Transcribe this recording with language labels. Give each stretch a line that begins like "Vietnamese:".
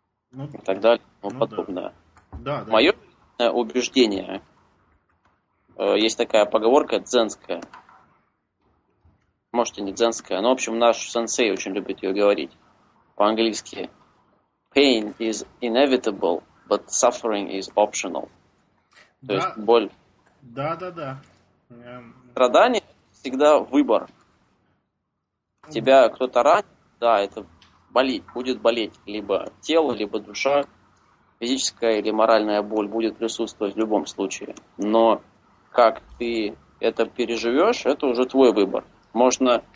Russian: Ну, и так далее, и тому подобное. Да. Мое убеждение, есть такая поговорка дзенская, может и не дзенская, но, в общем, наш сенсей очень любит ее говорить по-английски.
English: Pain is inevitable, but suffering is optional.
Russian: То да. есть боль. Да. Страдание всегда выбор. Тебя кто-то ранит, да, это... Болеть, будет болеть либо тело, либо душа, физическая или моральная боль будет присутствовать в любом случае. Но как ты это переживешь, это уже твой выбор. Можно.